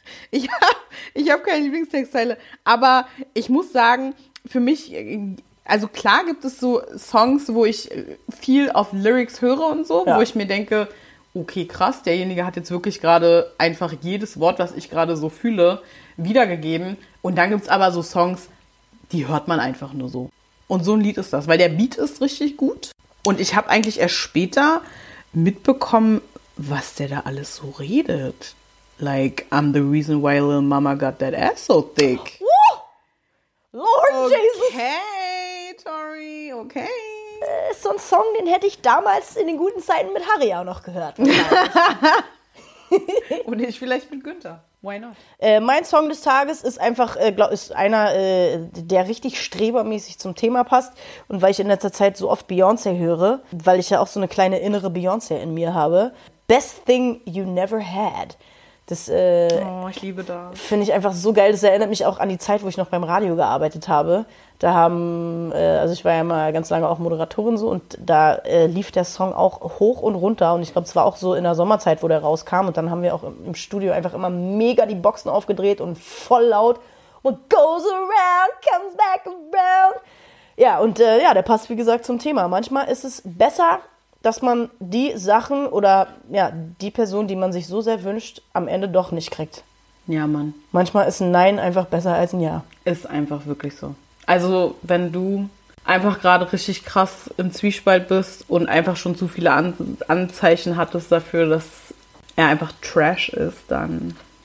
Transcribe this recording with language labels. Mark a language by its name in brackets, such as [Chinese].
[German] Ich hab keine Lieblingstextteile. Aber ich muss sagen, für mich, also klar gibt es so Songs, wo ich viel auf Lyrics höre und so, ja, wo ich mir denke, okay, krass, derjenige hat jetzt wirklich gerade einfach jedes Wort, was ich gerade so fühle, wiedergegeben. Und dann gibt es aber so Songs, die hört man einfach nur so. Und so ein Lied ist das, weil der Beat ist richtig gut. Und ich habe eigentlich erst später mitbekommen, was der da alles so redet. [English] Like, I'm the reason why little mama got that ass so thick. Lord okay, Jesus. [German] Okay, Tori, okay. So ein Song, den hätte ich damals in den guten Zeiten mit Harry auch noch gehört. Und ich vielleicht mit Günther. [English] Why not? [German] Mein Song des Tages ist einfach, ist einer, der richtig strebermäßig zum Thema passt. Und weil ich in letzter Zeit so oft Beyoncé höre, weil ich ja auch so eine kleine innere Beyoncé in mir habe. Best Thing You Never Had. Das, oh, ich liebe das. Finde ich einfach so geil. Das erinnert mich auch an die Zeit, wo ich noch beim Radio gearbeitet habe. Da haben, also ich war ja mal ganz lange auch Moderatorin so und da lief der Song auch hoch und runter. Und ich glaube, es war auch so in der Sommerzeit, wo der rauskam. Und dann haben wir auch im Studio einfach immer mega die Boxen aufgedreht und voll laut. [English] What goes around, comes back around. [German] Ja, und ja, der passt wie gesagt zum Thema. Manchmal ist es besser, dass man die Sachen oder ja, die Person, die man sich so sehr wünscht, am Ende doch nicht kriegt. Ja, Mann. Manchmal ist ein Nein einfach besser als ein Ja. Ist einfach wirklich so. Also, wenn du einfach gerade richtig krass im Zwiespalt bist und einfach schon zu viele Anzeichen hattest dafür, dass er einfach Trash ist, dann...